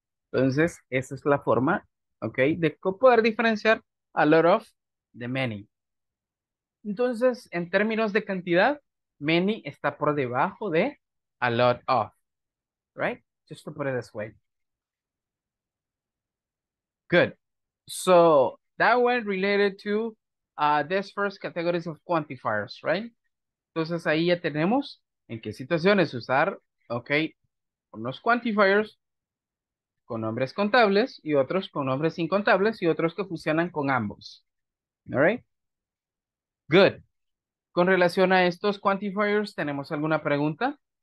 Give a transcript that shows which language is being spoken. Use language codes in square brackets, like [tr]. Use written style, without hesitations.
[es] Entonces, esa es la forma, ok, de poder diferenciar [en] a lot of [es] de many. Entonces, en términos de cantidad, many está por debajo de a lot of, right? [en] Just to put it this way. Good. So, that one related to this first categories of quantifiers, right? [es] Entonces, ahí ya tenemos en qué situaciones usar, ok, unos quantifiers con nombres contables y otros con nombres incontables y otros que funcionan con ambos, [en] all right? Good. [es] Con relación a estos quantifiers, ¿tenemos alguna pregunta?